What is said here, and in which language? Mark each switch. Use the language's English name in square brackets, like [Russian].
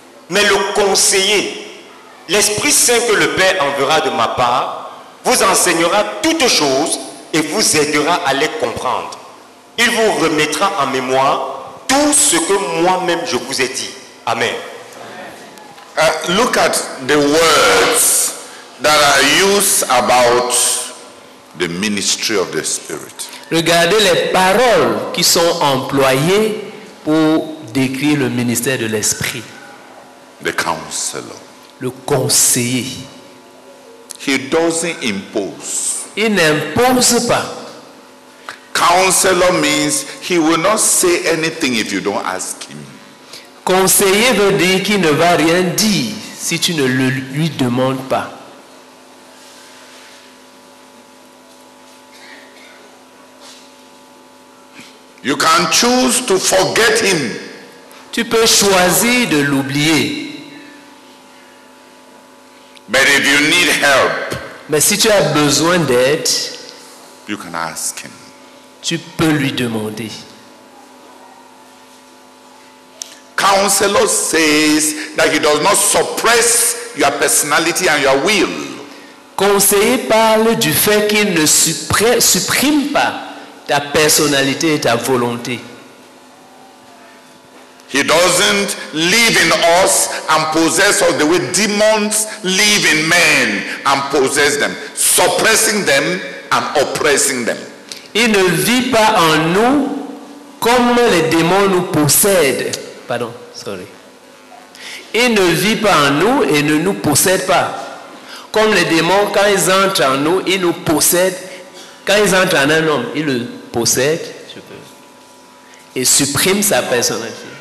[French] Mais le conseiller, l'Esprit Saint que le Père enverra de ma part, vous enseignera toutes choses et vous aidera à les comprendre. Il vous remettra en mémoire tout ce que moi-même je vous ai dit. Amen. [English] Look at the words that are used about the ministry of the Spirit. [French] Regardez les paroles qui sont employées pour décrire le ministère de l'Esprit. [English] The counselor. [French] Le conseiller. [English] He doesn't impose. [French] Il n'impose pas. [English] Counselor means he will not say anything if you don't ask him. [French] Conseiller veut dire qu'il ne va rien dire si tu ne le lui demandes pas. [English] You can choose to forget him. [French] Tu peux choisir de l'oublier. [English] But if you need help, [French] mais si tu as besoin d'aide, [English] you can ask him. [French] Tu peux lui demander. [English] Counselor says that he does not suppress your personality and your will. [French] Conseiller parle du fait qu'il ne supprime pas ta personnalité et ta volonté. [English] He doesn't live in us and possess us the way demons live in men and possess them, suppressing them and oppressing them. [French] Il ne vit pas en nous comme les démons nous possèdent. Pardon, sorry. Il ne vit pas en nous et ne nous possède pas. Comme les démons, quand ils entrent en nous, ils nous possèdent. Quand ils entrent en un homme, ils le possèdent et suppriment sa personnalité.